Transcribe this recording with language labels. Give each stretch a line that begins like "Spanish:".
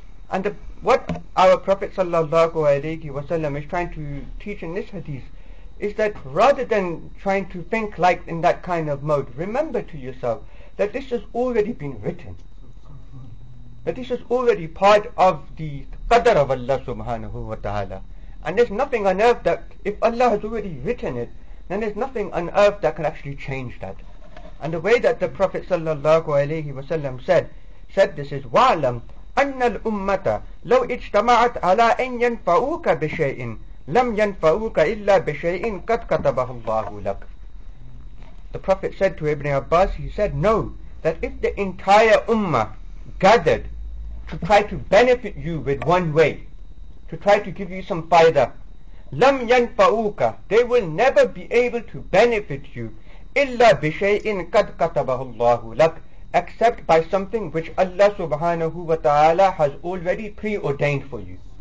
English: And what our Prophet sallallahu alaihi wasallam is trying to teach in this hadith is that rather than trying to think like in that kind of mode, remember to yourself that this has already been written. That this is already part of the qadr of Allah subhanahu wa ta'ala. And there's nothing on earth that, if Allah has already written it, then there's nothing on earth that can actually change that. And the way that the Prophet sallallahu alayhi wa sallam said this is,
Arabic: وَعْلَمْ أَنَّ الْأُمَّةَ لَوْ اِجْتَمَعَتْ عَلَىٰ أَنْ يَنْفَعُوكَ بِشَيْءٍ لَمْ يَنْفَعُوكَ إِلَّا بِشَيْءٍ قَدْ كَتَبَهُ اللَّهُ لَكَ.
English: The Prophet said to Ibn Abbas, he said, no, that if the entire ummah gathered to try to benefit you with one way, to try to give you some faida,
Arabic: lam yanfa'uka,
English: they will never be able to benefit you
Arabic: illa bi shay'in qad katabahu Allahu lak,
English: except by something which Allah subhanahu wa ta'ala has already preordained for you.